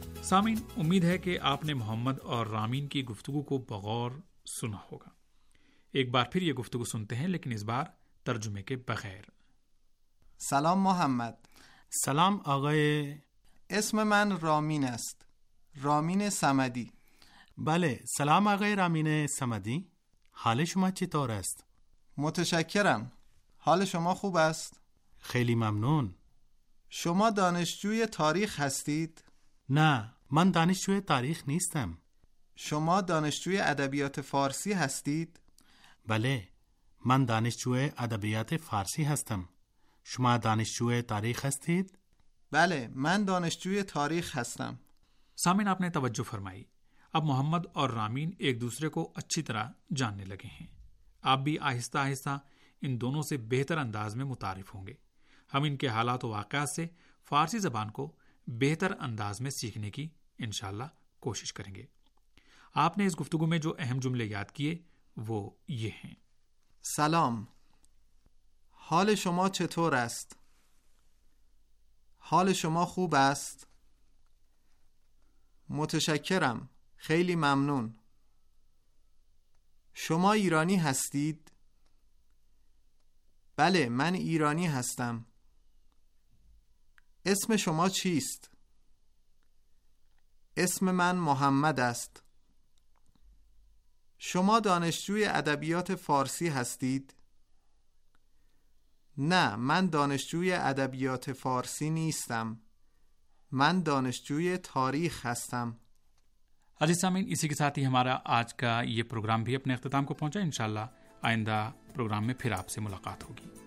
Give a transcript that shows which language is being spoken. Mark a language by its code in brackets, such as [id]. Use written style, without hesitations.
[ur] سامین، امید ہے کہ آپ نے محمد اور رامین کی گفتگو کو بغور سنا ہوگا. ایک بار پھر یہ گفتگو سنتے ہیں، لیکن اس بار ترجمے کے بغیر. [fa] سلام محمد. سلام آقای. اسم من رامین است، رامین صمدی. بله، سلام آقای رامین صمدی، حال شما چطور است؟ متشکرم، حال شما خوب است؟ خیلی ممنون. شما دانشجوی تاریخ هستید؟ نه، من دانشجوی تاریخ نیستم. شما دانشجوی ادبیات فارسی هستید؟ بله، من دانشجوی ادبیات فارسی هستم. شما دانشجوی تاریخ هستید؟ بله، من دانشجوی تاریخ هستم. [ur] سامین، آپ نے توجه فرمائی. اب محمد اور رامین ایک دوسرے کو اچھی طرح جاننے لگے ہیں. آپ بھی آہستہ آہستہ ان دونوں سے بہتر انداز میں متعارف ہوں گے. ہم ان کے حالات و واقعات سے فارسی زبان کو بہتر انداز میں سیکھنے کی انشاءاللہ کوشش کریں گے. آپ نے اس گفتگو میں جو اہم جملے یاد کیے وہ یہ ہیں. [fa] سلام، حال شما چطور است؟ حال شما خوب است؟ متشکرم، خیلی ممنون. شما ایرانی هستید؟ بله، من ایرانی هستم. اسم شما چیست؟ اسم من محمد است. شما دانشجوی ادبیات فارسی هستید؟ نه، من دانشجوی ادبیات فارسی نیستم. من دانشجوی تاریخ هستم. [ur] عزیز سامین، اسی کے ساتھ ہی ہمارا آج کا یہ پروگرام بھی اپنے اختتام کو پہنچا. انشاءاللہ آئندہ پروگرام میں پھر آپ سے ملاقات ہوگی.